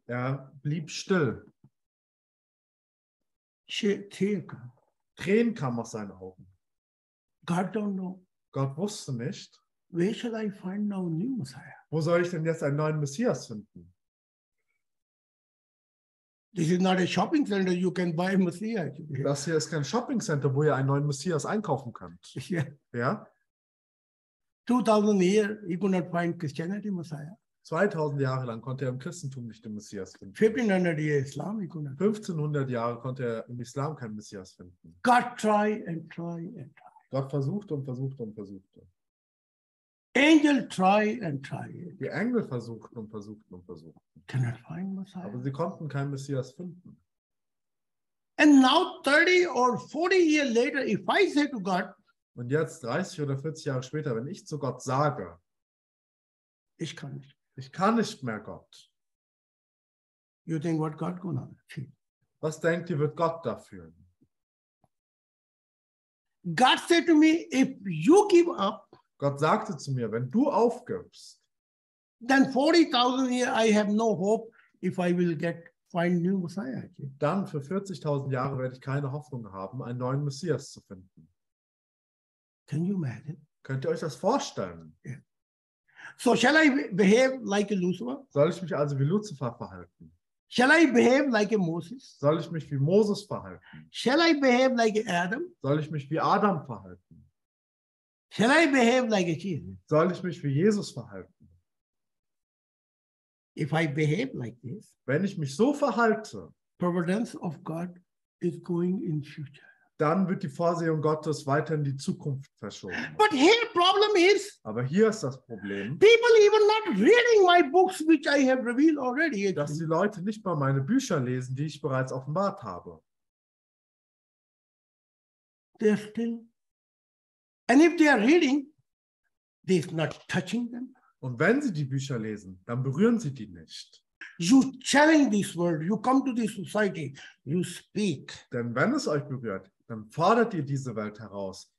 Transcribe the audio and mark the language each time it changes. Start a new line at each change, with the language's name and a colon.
German: Er blieb still. Tränen kamen aus seinen Augen.
English: God don't know.
German: Gott wusste nicht.
English: Where shall I find now a new Messiah?
German: Wo soll ich denn jetzt einen neuen Messias finden?
English: This is not a shopping center you can buy a Messiah.
German: Das hier ist kein Shopping Center, wo ihr einen neuen Messias einkaufen könnt.
English: Yeah.
German: Ja?
English: 2000 years he could not find Christianity Messiah.
German: 2000 Jahre lang konnte er im Christentum nicht den Messias finden.
English: 1500 years Islam he could not.
German: 1500 Jahre konnte er im Islam keinen Messias finden.
English: God try and try and try.
German: Gott versuchte und versuchte und versuchte.
English: Angel try and try.
German: Die Engel versuchten und versuchten und versuchten.
English: Cannot find Messiah.
German: Aber sie konnten keinen Messias finden.
English: And now 30 or 40 years later, if I say to God.
German: Und jetzt 30 oder 40 Jahre später, wenn ich zu Gott sage. Ich kann nicht. Ich kann nicht mehr Gott.
English: You think what God gonna feel?
German: Was denkt ihr, wird Gott da fühlen?
English: God said to me, if you give up.
German: Gott sagte zu mir, wenn du aufgibst,
English: then 40,000 years I have no hope if I will get find new Messiah.
German: Dann für 40.000 Jahre werde ich keine Hoffnung haben, einen neuen Messias zu finden.
English: Can you imagine?
German: Könnt ihr euch das vorstellen?
English: Yeah. So shall I behave like a Lucifer?
German: Soll ich mich also wie Lucifer verhalten?
English: Shall I behave like a Moses?
German: Soll ich mich wie Moses verhalten?
English: Shall I behave like Adam?
German: Soll ich mich wie Adam verhalten?
English: Shall I behave like Jesus?
German: Soll ich mich wie Jesus verhalten?
English: If I behave like this,
German: wenn ich mich so verhalte,
English: providence of God is going in future.
German: Dann wird die Vorsehung Gottes weiter in die Zukunft verschoben.
English: But here problem is,
German: aber hier ist das Problem,
English: people even not reading my books, which I have revealed already,
German: dass die Leute nicht mal meine Bücher lesen, die ich bereits offenbart habe.
English: They're still, and if they are reading, they're not touching them.
German: Und wenn sie die Bücher lesen, dann berühren sie die nicht.
English: You challenge this world, you come to this society, you speak.
German: Denn wenn es euch berührt, dann fordert ihr diese Welt heraus.